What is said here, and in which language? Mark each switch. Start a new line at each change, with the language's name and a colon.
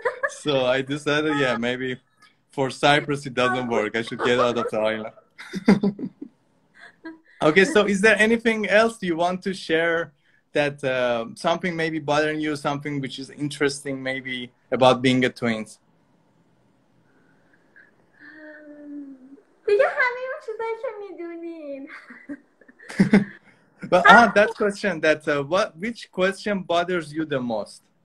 English: So I decided, yeah, maybe for Cyprus it doesn't work. I should get out of the island. Okay, so is there anything else you want to share that something maybe bothering you, something which is interesting maybe about being a twin.
Persian: دیگه همه اون چیزایی که میدونین.
English: But ah, that question, that what, which question bothers you the most?